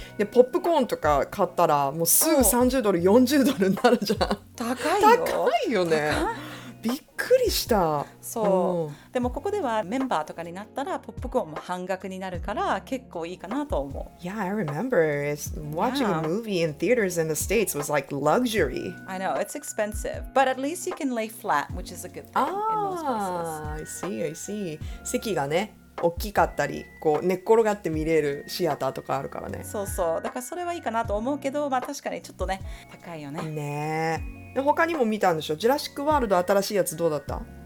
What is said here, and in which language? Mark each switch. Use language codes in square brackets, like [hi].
[ja] でポップコーンとか買ったらもうすぐ30ドル40ドルになるじゃん。高いよ。高いよね。びっくりした。そう、でもここではメンバーとかになったらポップコーンも半額になるから結構いいかなと思う。 [en] Yeah, I remember watching a movie in theaters in the States was like luxury. I know, it's expensive, but at least you can lay flat, which is a good thing in most places. I see. [ja] 席がね大きかったり、こう寝っ転がって見れるシアターとかあるからね。そうそう、だからそれはいいかなと思うけど、まあ確かにちょっとね高いよね。ねえ、他にも見たんでしょ。ジュラシックワールド新しいやつどうだった？